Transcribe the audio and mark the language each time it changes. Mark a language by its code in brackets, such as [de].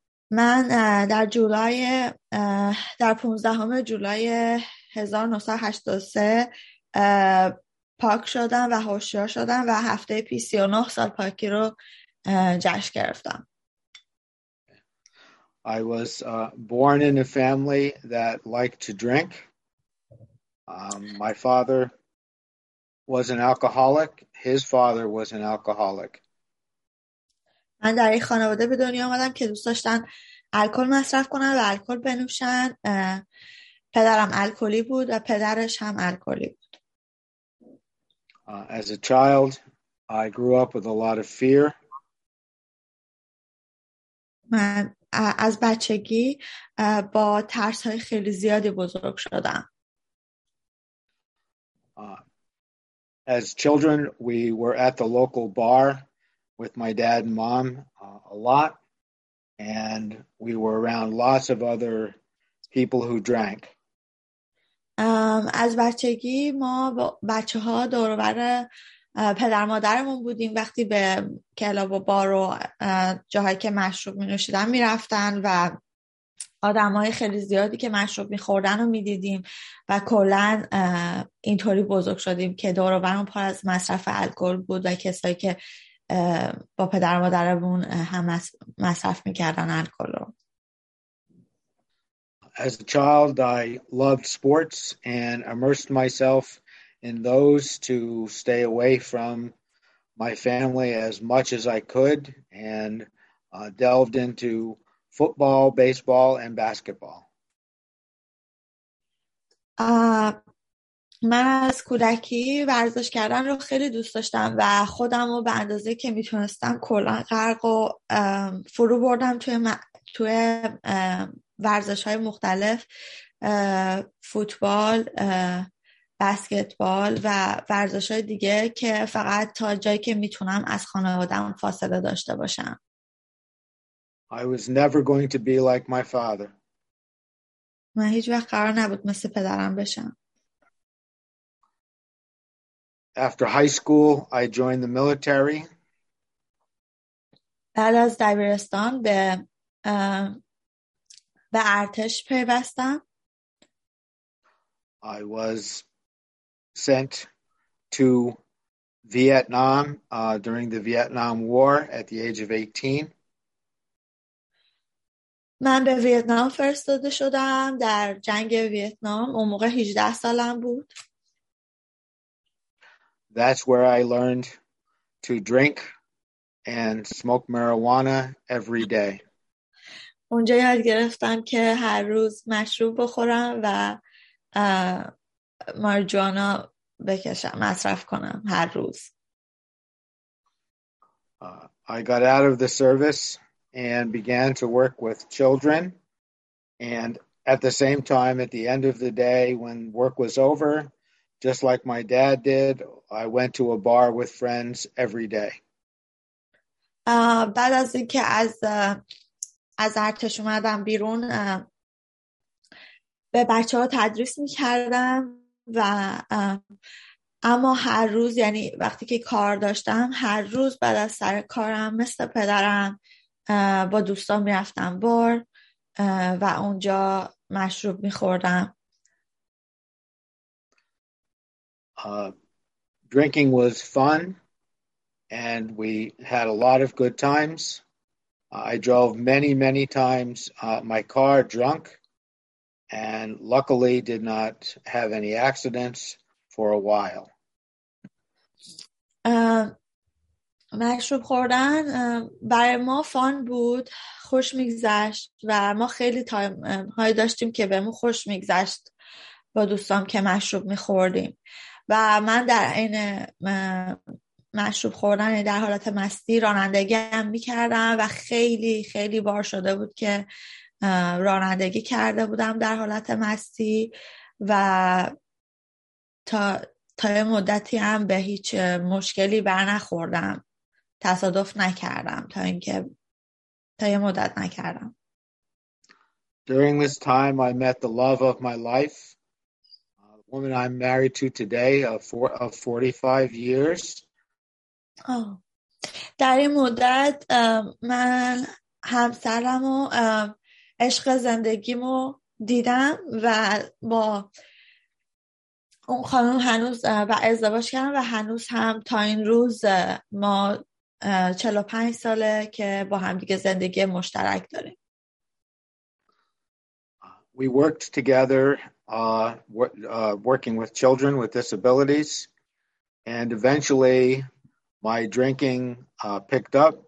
[fa] من در 15 جولای 1983 پاک شدم و هوشیار شدم و هفته پیش 39 سال پاکی رو جشن گرفتم. [en] I was born in a family that liked to drink. My father was an alcoholic. His father was an alcoholic. [fa] من در این خانواده به دنیا آمدم که دوست داشتن الکل مصرف کنن و الکل بنوشن. پدرم الکلی بود و پدرش هم الکلی بود. [en] As a child, I grew up with a lot of fear. [fa] من از بچگی با ترس های خیلی زیادی بزرگ شدم. [en] As children, we were at the local bar with my dad and mom a lot, and we were around lots of other people who drank. [fa] از بچگی ما بچه ها دور و بر پدر مادرمون بودیم، وقتی به کلاب و بار و جاهایی که مشروب می نوشیدن می رفتن و آدم های خیلی زیادی که مشروب می خوردن رو می دیدیم و کلن اینطوری بزرگ شدیم که دور و برمون پر از مصرف الکل بود و کسایی که با پدر مادرمون هم مصرف می کردن الکل رو. [en] As a child, I loved sports and immersed myself in those to stay away from my family as much as I could, and delved into football, baseball, and basketball. [fa] من از کودکی ورزش کردن رو خیلی دوست داشتم و خودم رو به اندازه که میتونستم کلا غرق و فرو بردم توی ورزش های مختلف، فوتبال، بسکتبال و ورزش های دیگه که فقط تا جایی که میتونم از خانوادم فاصله داشته باشم. [en] I was never going to be like my father. [fa] من هیچ وقت قرار نبود مثل پدرم بشم. [en] After high school, I joined the military. [fa] بعد از دبیرستان به ارتش پیوستم. [en] I was sent to Vietnam during the Vietnam War at the age of 18. [fa] من به ویتنام فرستاده شدم در جنگ ویتنام، اون موقع 18 سالم بود. [en] That's where I learned to drink and smoke marijuana every day. [fa] اونجا یاد گرفتم که هر روز مشروب بخورم و مارجوانا بکشم، مصرف کنم هر روز. [en] I got out of the service and began to work with children. And at the same time, at the end of the day, when work was over, just like my dad did, I went to a bar with friends every day. [fa] بعد از اینکه از ارتش اومدم بیرون به بچه‌ها تدریس می‌کردم و اما هر روز، یعنی وقتی که کار داشتم، هر روز بعد از سر کارم مثل پدرم با دوستان می‌رفتم بار و اونجا مشروب می‌خوردم. [en] Drinking was fun and we had a lot of good times. I drove many, many times my car drunk and luckily did not have any accidents for a while. [fa] مشروب خوردن برای ما فان بود، خوش میگذشت و ما خیلی تایم‌های داشتیم که بهمون خوش میگذشت با دوستام که مشروب میخوردیم و من در این مشروب خوردن در حالت مستی رانندگی هم میکردم و خیلی خیلی بار شده بود که رانندگی کرده بودم در حالت مستی و تا یه مدتی هم به هیچ مشکلی بر نخوردم، تصادف نکردم، تا یه مدت نکردم. [en] During this time I met the love of my life, a woman I'm married to today of 45 years. [fa] در این مدت من همسرم و عشق زندگیم رو دیدم و با اون خانم هنوز و ازدواج کردم و هنوز هم تا این روز ما 45 ساله که با هم دیگه زندگی مشترک داریم. [en] We worked together working with children with disabilities and eventually my drinking picked up.